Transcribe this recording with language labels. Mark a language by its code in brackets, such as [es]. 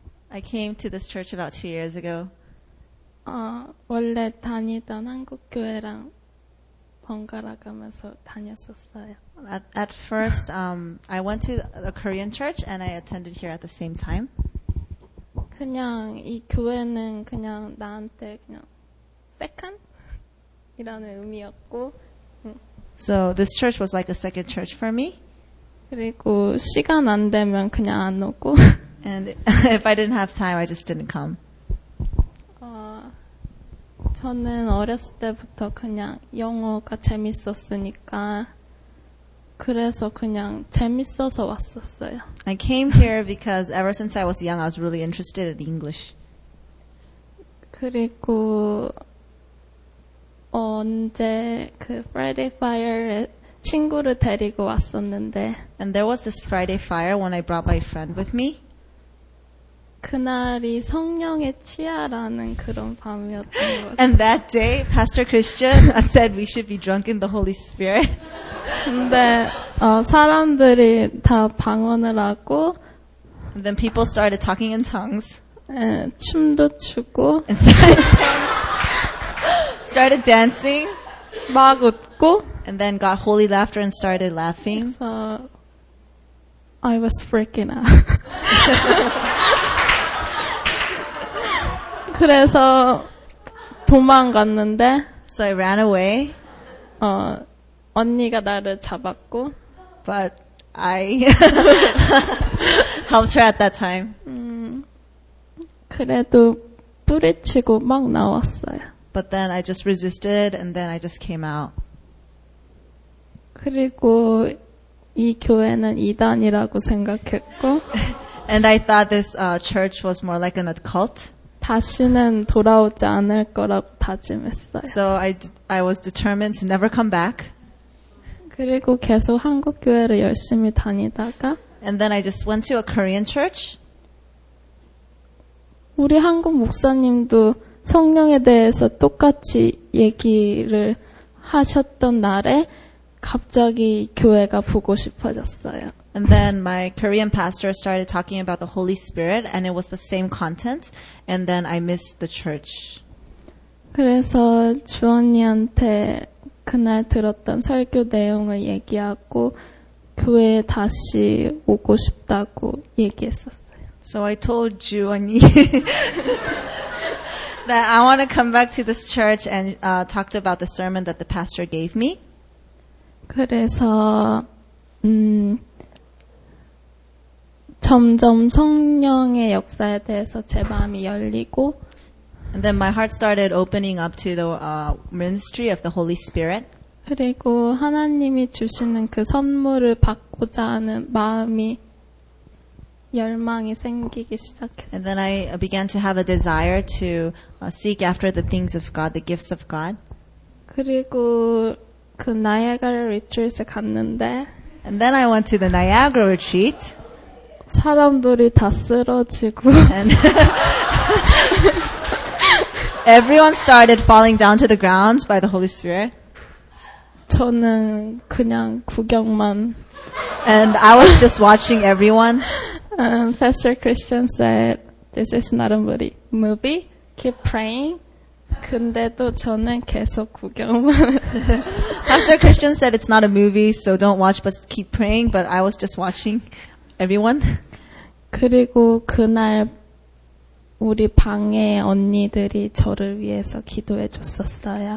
[en] I came to this church about 2 years ago. [ko] 원래 다니던 한국 교회랑 번갈아가면서 다녔었어요. [en] At first, I went to a Korean church and I attended here at the same time. [ko] 그냥 이 교회는 그냥 나한테 그냥 second이라는 의미였고. [en] So this church was like a second church for me. [ko] 그리고 시간 안 되면 그냥 안 오고. [en] And if I didn't have time, I just didn't come. [ko] 저는 어렸을 때부터 그냥 영어가 재밌었으니까 그래서 그냥 재밌어서 왔었어요. [en] I came here because ever since I was young, I was really interested in English. [ko] 그리고 언제 그 Friday Fire에 친구를 데리고 왔었는데. [en] And there was this Friday Fire when I brought my friend with me. [ko] 그날이 성령의 치아라는 그런 밤이었던 것 같아요. [en] And that day, Pastor Christian said we should be drunk in the Holy Spirit. [ko] 근데 사람들이 다 방언을 하고. [en] And then people started talking in tongues. [ko] 춤도 추고. [en] Started dancing. [ko] 막 웃고. [en] And then got holy laughter and started laughing. So I was freaking out. [ko] 그래서 도망갔는데. [en] So I ran away. [ko] 언니가 나를 잡았고. [en] But I helped her at that time. [ko] 그래도 뿌리치고 막 나왔어요. [en] But then I just resisted and then I just came out. [ko] 그리고 이 교회는 이단이라고 생각했고 [en] And I thought this church was more like an occult. [ko] 다시는 돌아오지 않을 거라고 다짐했어요. [en] So I was determined to never come back. [ko] 그리고 계속 한국 교회를 열심히 다니다가 [en] And then I just went to a Korean church. [ko] 우리 한국 목사님도 성령에 대해서 똑같이 얘기를 하셨던 날에 갑자기 교회가 보고 싶어졌어요. [en] And then my Korean pastor started talking about the Holy Spirit and it was the same content and then I missed the church. [ko] 그래서 주 언니한테 그날 들었던 설교 내용을 얘기하고 교회에 다시 오고 싶다고 얘기했었어요. [en] So I told 주 언니 that I want to come back to this church and talked about the sermon that the pastor gave me. [ko] 그래서 점점 성령의 역사에 대해서 제 마음이 열리고 [en] And then my heart started opening up to the ministry of the Holy Spirit. [ko] 그리고 하나님이 주시는 그 선물을 받고자 하는 마음이 열망이 생기기 시작했어요. [en] And then I began to have a desire to seek after the things of God, the gifts of God. [ko] 그리고 그 나이아가라 리트리트에 갔는데 [en] And then I went to the Niagara retreat. [ko] 사람들이 다 쓰러지고 And [en] Everyone started falling down to the ground by the Holy Spirit. [ko] 저는 그냥 구경만 [en] And I was just watching everyone. Pastor Christian said, "This is not a movie. Keep praying." [ko] 근데도 저는 계속 구경만. [en] Pastor Christian said it's not a movie, so don't watch, but keep praying. But I was just watching everyone. [ko] 그리고 그날 우리 방에 언니들이 저를 위해서 기도해 줬었어요.